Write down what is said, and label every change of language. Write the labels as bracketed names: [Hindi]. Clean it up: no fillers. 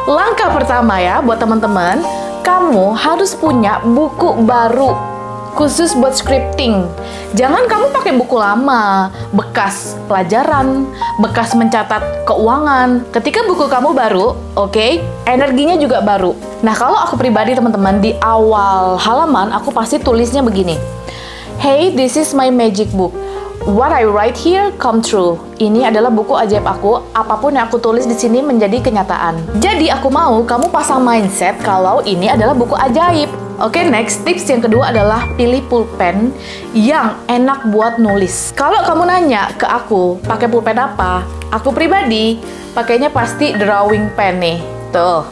[Indonesian] Langkah pertama ya, buat teman-teman, kamu harus punya buku baru khusus buat scripting. Jangan kamu pakai buku lama, bekas pelajaran, bekas mencatat keuangan. Ketika buku kamu baru, oke, energinya juga baru. Nah, kalau aku pribadi teman-teman, di awal halaman aku pasti tulisnya begini. [English] Hey, this is my magic book. What I write here come true. [Indonesian] Ini adalah buku ajaib aku, apapun yang aku tulis di sini menjadi kenyataan. Jadi aku mau kamu pasang mindset kalau ini adalah buku ajaib. Oke, next tips yang kedua adalah pilih pulpen yang enak buat nulis. Kalau kamu nanya ke aku, pakai pulpen apa? Aku pribadi pakainya pasti drawing pen nih. Tuh.